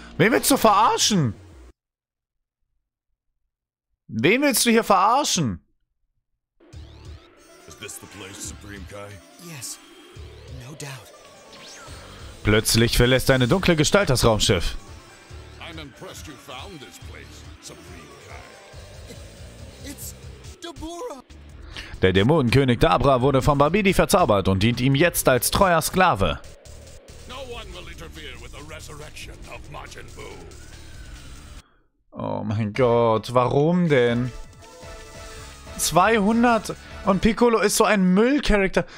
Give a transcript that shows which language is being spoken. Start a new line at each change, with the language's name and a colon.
German: Wen willst du verarschen? Wen willst du hier verarschen?
English: Is this the place, Supreme Kai? Yes, no doubt.
German: Plötzlich verlässt eine dunkle Gestalt das Raumschiff.
English: I'm impressed you found this place, Supreme Kai. It's Deborah.
German: Der Dämonenkönig Dabra wurde von Babidi verzaubert und dient ihm jetzt als treuer Sklave.
English: No one will interfere with the resurrection of Majin Buu.
German: Oh mein Gott, warum denn? 200 und Piccolo ist so ein Müllcharakter.